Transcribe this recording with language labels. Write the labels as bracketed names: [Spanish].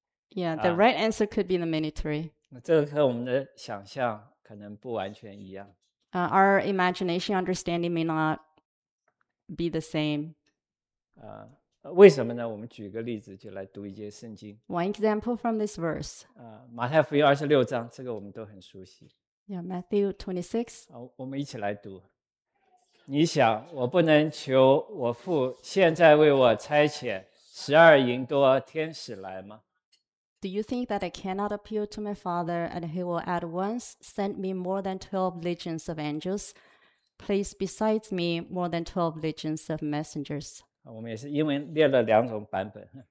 [English] Yeah, the right answer could be the military. [Chinese] 这个和我们的想象可能不完全一样。 [English] Our imagination understanding may not be the same. [Chinese] 为什么呢？我们举个例子，就来读一节圣经。 [English] One example from this verse. [Chinese] 马太福音26章，这个我们都很熟悉。 [English] Yeah, Matthew 26. [Chinese] 我们一起来读。你想，我不能求我父现在为我差遣12营多天使来吗？ [English] Do you think that I cannot appeal to my father and he will at once send me more than 12 legions of angels, place besides me more than 12 legions of messengers? [Chinese] 我们也是英文列了两种版本。